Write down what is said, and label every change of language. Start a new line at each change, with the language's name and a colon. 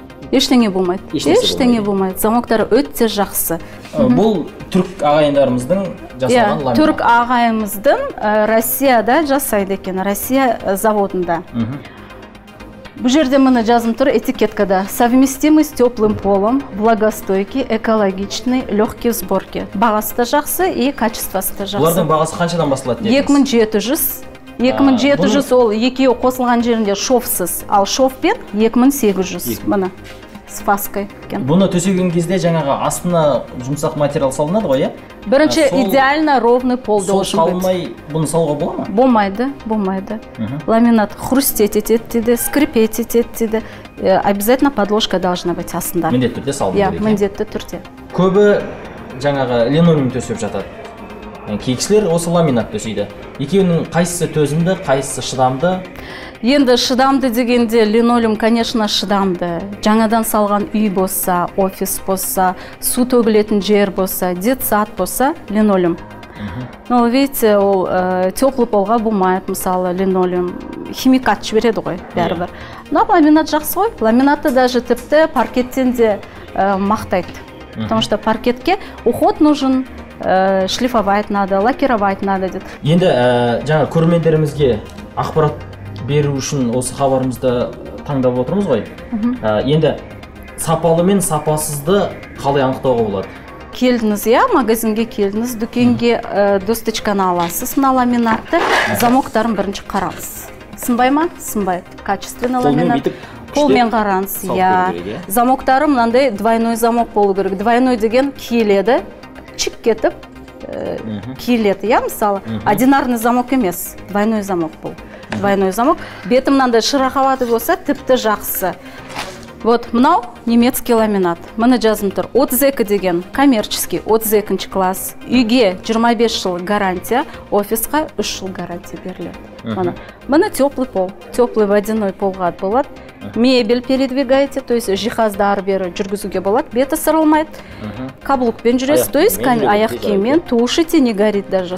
Kazakh: Ештеңе болмайды. Ештеңе болмайды. Замоктары өте жақсы. Бұл түрік ағайындарымыздың жасаған ламинат? Түрік ағайымыздың Россияда жасайды екен, Россия заводында. Бұл жерде мұны жазым тұр этикеткада.
Russian: Совместимый с теплым полом, благостойки, экологичный, легкий сборки.
Kazakh: Бағасы да жақсы и качествасы да жақсы. Бұлардың бағасы қаншадан басылады дейміз? 2700. 2700 ол екеу қосылған жерінде шовсыз, ал шовпен 2800 мұны
Russian: с фаской.
Kazakh: Бұны төсеген кезде жаңаға астына жұмсақ материал салынады ғой, е? Бірінші
Russian: идеально ровный пол
Kazakh: дейміз. Сол қалмай бұны салуға бола ма? Болмайды, болмайды. Ламинат хрустет етеді, скрипет етеді.
Russian: Обязательно подложка должна быть
Kazakh: астында. Міндетті түрде салынады екен? Міндетті түрде. Көбі жаңаға линолеум төсеп жатады. кейкшілер осы ламинат төсейді. Екеуінің қайсысы төзімді, қайсысы шыдамды? Енді шыдамды дегенде линолеум,
Russian: конечно,
Kazakh: шыдамды. Жаңадан салған үй болса, офис болса, су төгілетін жер болса, детсад болса, линолеум.
Russian: Но видите,
Kazakh: ол теплый полға бумает, мысалы, линолеум. Химикат жібереді ғой, бәрібір. Но ламинат жақсы ғой. Ламинатты
Russian: даже
Kazakh: тіпті паркеттен де мақтайды.
Russian: Потому что паркетке уход нужен, шлифовать надо, лакировать надо.
Kazakh: Енді жаңа көрмендерімізге ақпарат беру үшін осы хабарымызды таңдап отырмыз ғой. Енді сапалы мен сапасызды қалай анықтауға болады? Келдіңіз, я магазинге келдіңіз, дүкенге досточканы аласыз, мына ламинатты, замоктарын бірінші қараңыз. Сынбай ма? Сынбайды.
Russian: Качественный ламинат.
Kazakh: Қолмен қараңыз, я. Замоктары мынандай двойной замок болу керек. Двойной деген киіледі, чик кетіп, киіледі, я мысалы.
Russian: Одинарный замок
Kazakh: емес, двойной замок бол.
Russian: Двойной замок.
Kazakh: Беті мынандай шырақалады болса, тіпті жақсы.
Russian: Вот,
Kazakh: мынау
Russian: немецкий ламинат.
Kazakh: Мыны жазым тұр. 32 деген
Russian: коммерческий,
Kazakh: 32-нші класс. Үйге 25 жыл гарантия, офисқа 3 жыл гарантия беріледі. Мыны теплый пол. Теплый водяной полға болады.
Russian: Мебель передвигайте, то есть
Kazakh: жиһазды ары-бері жүргізуге болады. Беті сырылмайды. Каблукпен жүресіз,
Russian: то есть
Kazakh: аяқ киіммен
Russian: тушите не горит даже.